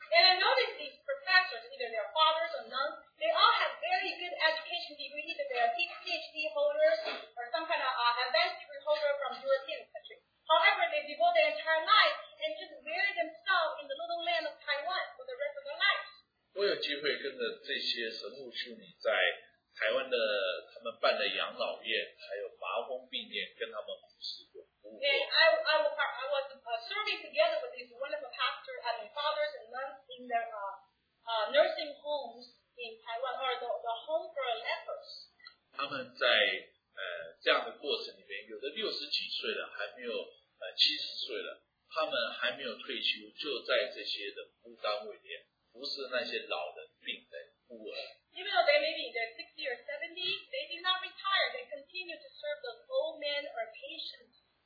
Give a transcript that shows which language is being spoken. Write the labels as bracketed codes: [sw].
[en] And I noticed these professors, either they're fathers or nuns, they all have very good education degree, either they are PhD holders or some kind of advanced degree holder from European country. However, they devote their entire life and just bury themselves in the little land of Taiwan for the rest of their lives. [zh] 我有机会跟着这些神父修女在台湾的他们办的养老院，还有麻风病院，跟他们服侍过。 [en] And I was serving together with these wonderful pastors and fathers and nuns in their nursing homes in Taiwan or the home for lepers. [zh] 他们在这样的过程里面，有的六十几岁了，还没有70岁了，他们还没有退休，就在这些的服务单位里面服侍那些老人、病人、孤儿。 [en] Even though they may be in their 60 or 70, they did not retire. They continue to serve those old men or patients.